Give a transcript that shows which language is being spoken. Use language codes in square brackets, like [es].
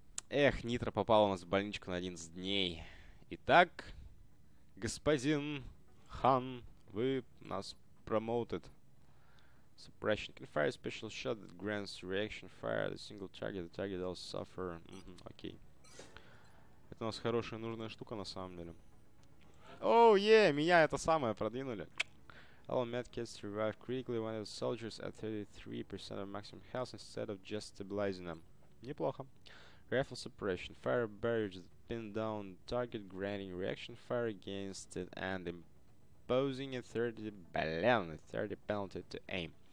[ru] Эх, Нитро попал у нас в больничку на 11 дней. Итак, господин Хан, вы нас промоутед. [en] Suppression. Can fire a special shot that grants reaction fire the single target. The target will suffer. Окей. [ru] Это у нас хорошая, нужная штука на самом деле. Оу, меня это самое продвинули. [en] All medkits revive critically when the soldiers at 33% of maximum health instead of just stabilizing them. [ru] Неплохо. [en] Rifle suppression. Fire barriers that pin down target, granting reaction fire against it and imposing a 30 penalty to aim.